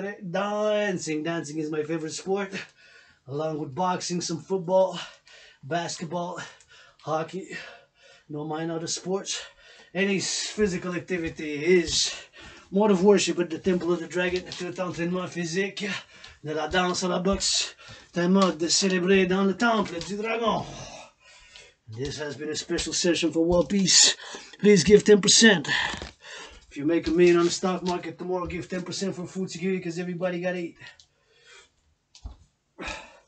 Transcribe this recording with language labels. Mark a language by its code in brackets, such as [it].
[en] Dancing is my favorite sport. Along with boxing, some football, basketball, hockey. No mind other sports. Any physical activity is mode of worship at the temple of the dragon. [fr] Tout entraînement physique. De la danse à la boxe. Un mode de célébrer dans le temple du dragon. [en] This has been a special session for world peace. Please give 10%. If you make a million on the stock market tomorrow, give 10% for food security because everybody got to eat.